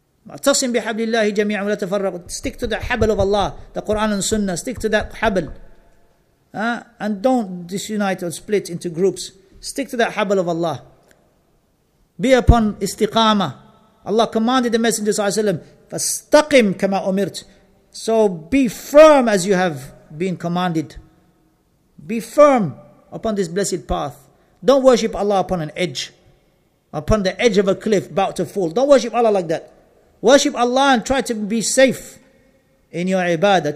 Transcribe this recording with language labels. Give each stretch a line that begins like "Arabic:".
Arabic: اعتصم بحبل الله جميعا ولا تفرق.
English: Stick to the habl of Allah, the Quran and Sunnah. Stick to that habl. And don't disunite or split into groups. Stick to that habl of Allah. Be upon istiqama. Allah commanded the Messenger
Arabic: صلى الله عليه وسلم, فاستقم كما أمرت.
English: So be firm as you have been commanded. Be firm upon this blessed path. Don't worship Allah upon an edge, upon the edge of a cliff about to fall. Don't worship Allah like that. Worship Allah and try to be safe in your ibadah.